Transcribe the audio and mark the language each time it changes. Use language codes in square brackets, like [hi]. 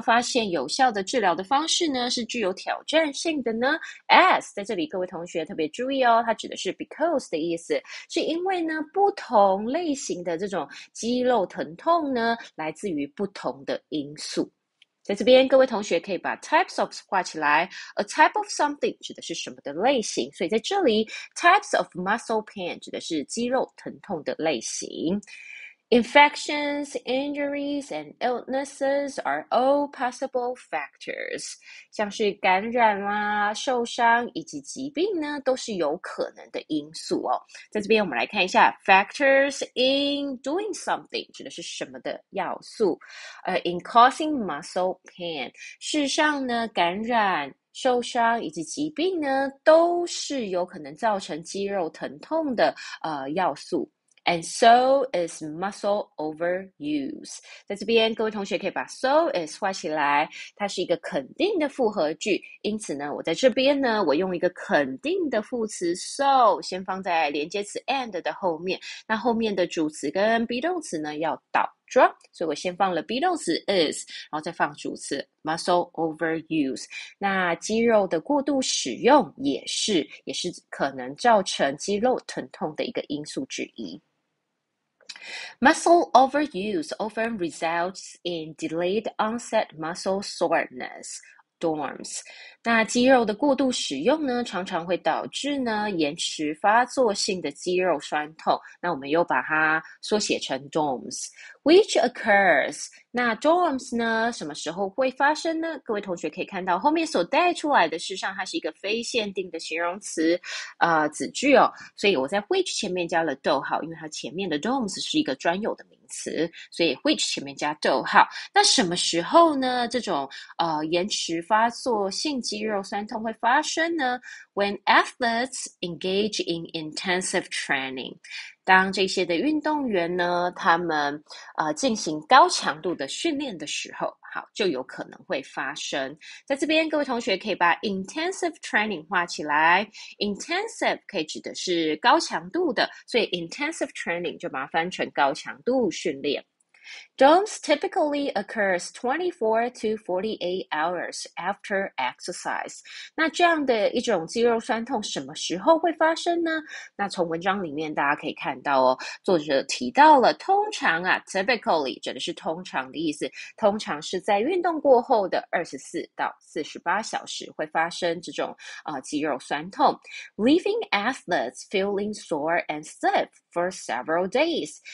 [zh] 发现有效的治疗的方式呢，是具有挑战性的呢？As 在这里，各位同学特别注意哦，它指的是 because 的意思，是因为呢，不同类型的这种肌肉疼痛呢，来自于不同的因素。在这边，各位同学可以把 types of 画起来。A type of something 指的是什么的类型，所以在这里， [en] types of muscle pain [zh] 指的是肌肉疼痛的类型。 [en] Infections, injuries, and illnesses are all possible factors。 [zh] 像是感染啦、受伤以及疾病呢，都是有可能的因素哦。在这边，我们来看一下 [en] factors in doing something [zh] 指的是什么的要素？ [en] In causing muscle pain， [zh] 事实上呢，感染。受伤以及疾病呢，都是有可能造成肌肉疼痛的要素。 [en] And so is muscle overuse。 [zh] 在这边，各位同学可以把 so is 画起来，它是一个肯定的复合句。因此呢，我在这边呢，我用一个肯定的副词 so 先放在连接词 and 的后面，那后面的主词跟 be 动词呢要倒装，所以我先放了 be 动词 is，然后再放主词 [en] muscle overuse。 [zh] 那肌肉的过度使用也是可能造成肌肉疼痛的一个因素之一。 [en] Muscle overuse often results in delayed onset muscle soreness dorms。 [zh] 那肌肉的过度使用呢，常常会导致呢延迟发作性的肌肉酸痛。那我们又把它缩写成 dorms。 [en] Which occurs？ [zh] 那 dorms 呢？什么时候会发生呢？各位同学可以看到，后面所带出来的事实上它是一个非限定的形容词，子句哦。所以我在 which 前面加了逗号，因为它前面的 dorms 是一个专有的名词，所以 which 前面加逗号。那什么时候呢？这种延迟发作、性肌肉酸痛会发生呢？ [en] When athletes engage in intensive training。 [zh] 当这些的运动员呢，他们进行高强度的训练的时候，好，就有可能会发生。在这边，各位同学可以把 [en] intensive training [zh] 画起来，intensive 可以指的是高强度的，所以 intensive training 就把它翻成高强度训练。 [en] Dorms typically occurs 24 to 48 hours after exercise。 [zh] 那这样的一种肌肉酸痛什么时候会发生呢？那从文章里面大家可以看到哦，作者提到了通常啊，typically 指的是通常的意思，通常是在运动过后的24到48小时会发生这种肌肉酸痛， [en] leaving athletes feeling sore and stiff for several days。